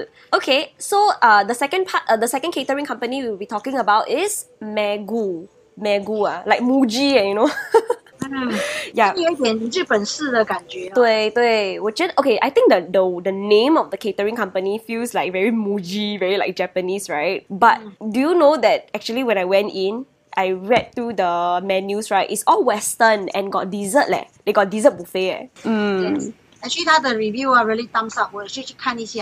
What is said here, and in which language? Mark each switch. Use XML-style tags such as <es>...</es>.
<en>Okay, so the second catering company we'll be talking about is Megu, like Muji, you know.</en> <zh>有点日本式的感觉。对，我觉得</zh> <en>okay. I think the name of the catering company feels like very Muji, very like Japanese, right? But do you know that actually when I went in, I read through the menus, right? It's all Western and got dessert leh. They got dessert buffet. Yes. Actually, their review are really thumbs up.</en> <zh>我也去看一下。</zh>